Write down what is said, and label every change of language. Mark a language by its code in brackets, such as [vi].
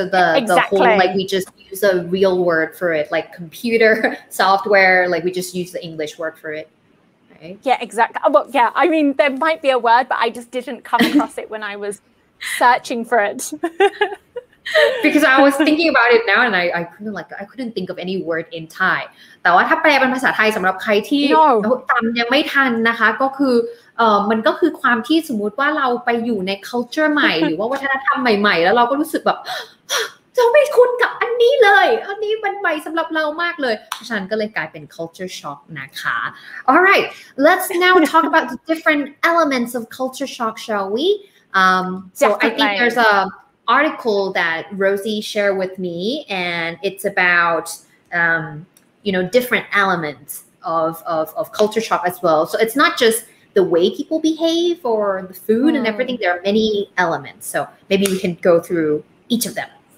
[en] So the whole like we just use a real word for it, like computer software, like we just use the English word for it. Right? Yeah, exactly. Well, yeah, I mean there might be a word, but I just didn't come across it when I was searching for it. Because I was thinking about it now and I couldn't think of any word in Thai. [th] แต่ว่าถ้าแปลเป็นภาษาไทยสำหรับใครที่จำยังไม่ทันนะคะก็คือมันก็คือความที่สมมุติว่าเราไปอยู่ใน culture ใหม่หรือว่าวัฒนธรรมใหม่ๆแล้วเราก็รู้สึกแบบจะไม่คุ้นกับอันนี้เลยอันนี้มันใหม่สำหรับเรามากเลยฉันก็เลยกลายเป็น culture shock นะคะ [en] All right, let's now talk about the different elements of culture shock, shall we? I think there's aarticle that Rosie shared with me, and it's about different elements of culture shock as well. So it's not just the way people behave or the food and everything. There are many elements. So maybe we can go through each of them.